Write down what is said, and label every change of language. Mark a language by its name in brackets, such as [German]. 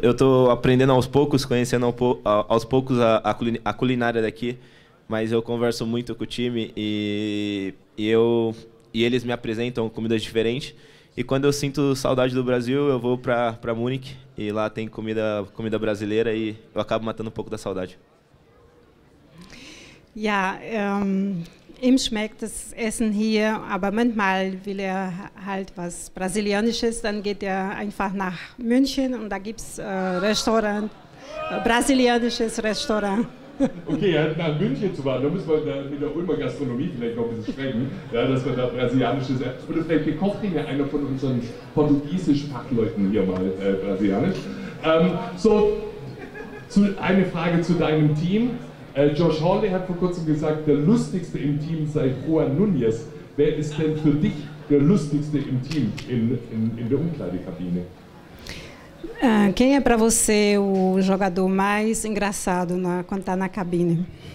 [Portuguese] Eu estou aprendendo aos poucos, conhecendo aos poucos a culinária daqui. Mas eu converso muito com o time e eles me apresentam comidas diferentes. E quando eu sinto saudade do Brasil, eu vou para Munich e lá tem comida brasileira e eu acabo matando um pouco da saudade. [German] Ja, ihm schmeckt das Essen hier, aber manchmal will er halt was Brasilianisches, dann geht er einfach nach München und da gibt's Restaurant, brasilianisches Restaurant. Okay, ja, nach München zu fahren, da müssen wir mit der Ulmer Gastronomie vielleicht noch ein bisschen sprechen, ja, dass wir da brasilianisches Essen. Oder vielleicht gekocht ihn ja einer von unseren portugiesischen Fachleuten hier mal brasilianisch. Eine Frage zu deinem Team. Josh Hawley hat vor kurzem gesagt, der Lustigste im Team sei Juan Nunez. Wer ist denn für dich der lustigste im Team, in der Umkleidekabine? [Portuguese] Quem é para você o jogador mais engraçado na, quando tá na cabine?